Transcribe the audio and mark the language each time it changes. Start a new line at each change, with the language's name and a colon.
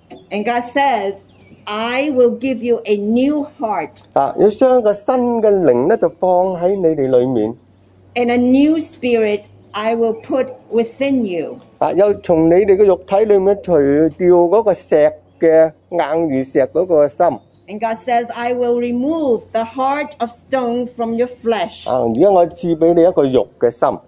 English: And God says, I will give you a new heart.
Cantonese: 要将个新嘅灵咧就放喺你哋里面。
English: And a new spirit I will put within you.
Cantonese: 又从你哋嘅肉体里面除掉嗰个石嘅硬如石嗰个心。
English: And God says, I will remove the heart of stone from your flesh.
Cantonese: 如果我赐俾你一个肉嘅心。